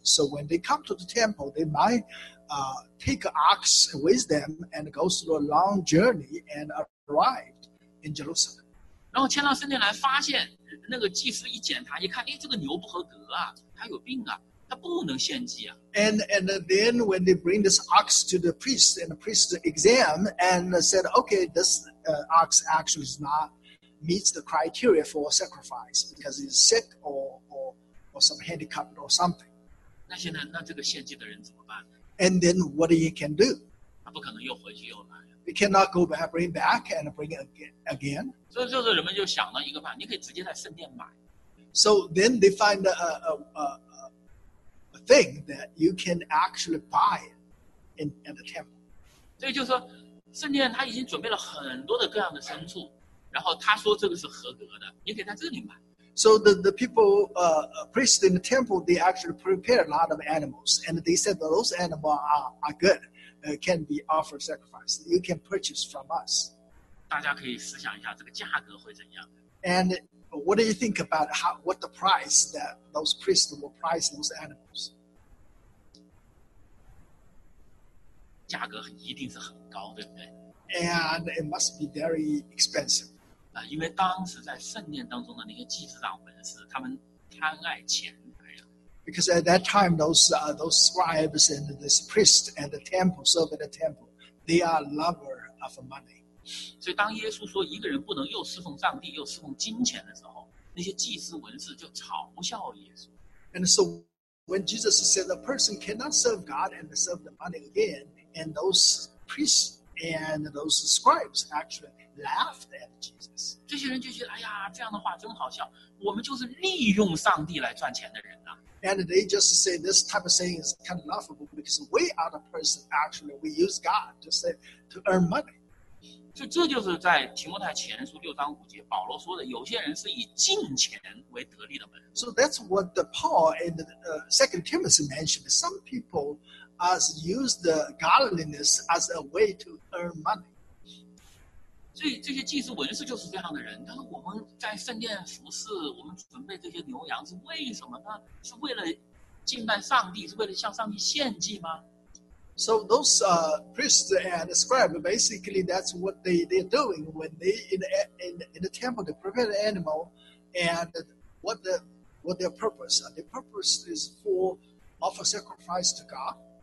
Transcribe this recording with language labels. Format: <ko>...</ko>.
<en>So when they come to the temple, they might take an ox with them and go through a long journey and arrived in Jerusalem.</en> <zh>然后牵到圣殿来，发现那个祭司一检查一看，哎，这个牛不合格啊，它有病啊。他不能献祭啊。</zh> <en>And then when they bring this ox to the priest and the priest exam and said, okay, this ox actually is not meets the criteria for sacrifice because it's sick or some handicapped or something.</en> <zh>那这个献祭的人怎么办？</zh> <en>And then what he can do?</en> <zh>他不可能又回去又来。</zh> <en>He cannot go back, bring back and bring it again.</en> <zh>所以就是人们就想了一个办法，你可以直接在圣殿买。</zh> <en>So then they find a thing that you can actually buy at the temple.</en> <zh>所以就是说，圣殿他已经准备了很多的各样的牲畜，然后他说这个是合格的，你可以在这里买。</zh> <en>So the people, priests in the temple, they actually prepare a lot of animals, and they said that those animals are good, can be offered sacrifice. You can purchase from us.</en> <zh>大家可以思想一下，这个价格会怎样</zh> <en>？And what do you think about what the price that those priests will price those animals?</en> <zh>价格一定是很高，对不对？</zh> <en>And it must be very expensive.</en> <zh>因为当时在圣殿当中的那些祭司长文士，他们贪爱钱财呀。</zh> <en>Because at that time, those scribes and this priest and the temple serve at the temple, they are lover of money.</en> <zh>所以当耶稣说一个人不能又侍奉上帝又侍奉金钱的时候，那些祭司文士就嘲笑耶稣。</zh> <en>And so when Jesus said a person cannot serve God and serve the money again, and those priests and those scribes actually laughed at Jesus.</en> <zh>这些人就觉得，哎呀，这样的话真好笑，我们就是利用上帝来赚钱的人啊。</zh> <en>And they just say this type of saying is kind of laughable because we are the person actually we use God to earn money.</en> <zh>所以这就是在提摩太前书六章五节保罗说的，有些人是以金钱为得利的门。</zh> <en>So that's what the Paul in the Second Timothy mentioned. Some people as use the godliness as a way to earn money.</en> <zh>所以这些祭司文士就是这样的人，他说我们在圣殿服事，我们准备这些牛羊是为什么呢？是为了敬拜上帝，是为了向上帝献祭吗？</zh> <en>So those priests and scribes, basically, that's what they're doing when they in the temple, they prepare the animal, and what their purpose? Their purpose is for offer sacrifice to God.</en>